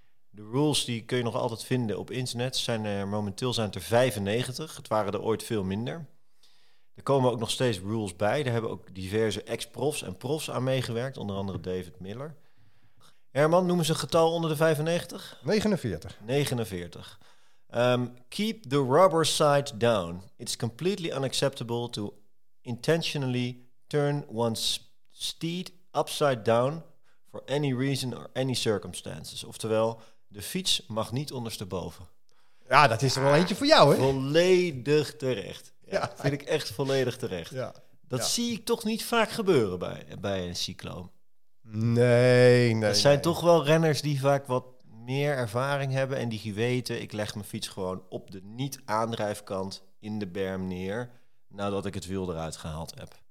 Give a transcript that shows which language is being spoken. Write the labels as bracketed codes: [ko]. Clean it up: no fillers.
[nl] De rules die kun je nog altijd vinden op internet. Momenteel zijn het er 95. Het waren er ooit veel minder. Er komen ook nog steeds rules bij. Daar hebben ook diverse ex-profs en profs aan meegewerkt. Onder andere David Miller. Herman, noemen ze een getal onder de 95? 49. 49. [en] Keep the rubber side down. It's completely unacceptable to intentionally turn one's steed upside down for any reason or any circumstances. [nl] Oftewel, de fiets mag niet ondersteboven. Ja, dat is er wel eentje voor jou, hè? Volledig terecht. Ja, vind ik echt volledig terecht. Ja. Dat zie ik toch niet vaak gebeuren bij een cycloon. Nee. Het zijn toch wel renners die vaak wat meer ervaring hebben en die weten, ik leg mijn fiets gewoon op de niet-aandrijfkant in de berm neer nadat ik het wiel eruit gehaald heb.